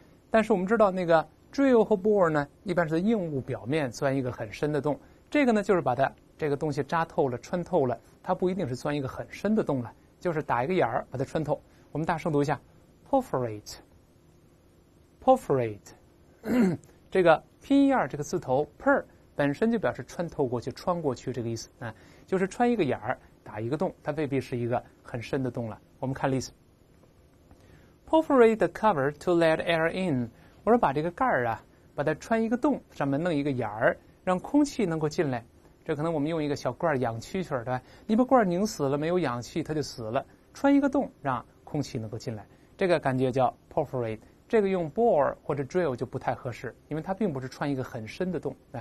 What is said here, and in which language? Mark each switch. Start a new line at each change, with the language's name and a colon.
Chinese: 但是我们知道那个 drill 和 bore 呢，一般是硬物表面钻一个很深的洞，这个呢就是把它这个东西扎透了，穿透了，它不一定是钻一个很深的洞了，就是打一个眼儿把它穿透。我们大声读一下 ，perforate。这个拼音二这个字头 per 本身就表示穿透过去、穿过去这个意思啊，就是穿一个眼儿打一个洞，它未必是一个很深的洞了。我们看例子
English: ，perforate the cover to let air in。
Chinese: 我说把这个盖儿啊，把它穿一个洞，上面弄一个眼儿，让空气能够进来。这可能我们用一个小罐氧蛐蛐，对吧？你把罐拧死了，没有氧气它就死了，穿一个洞让空气能够进来，这个感觉叫 perforate。这个用 bore 或者 drill 就不太合适，因为它并不是穿一个很深的洞。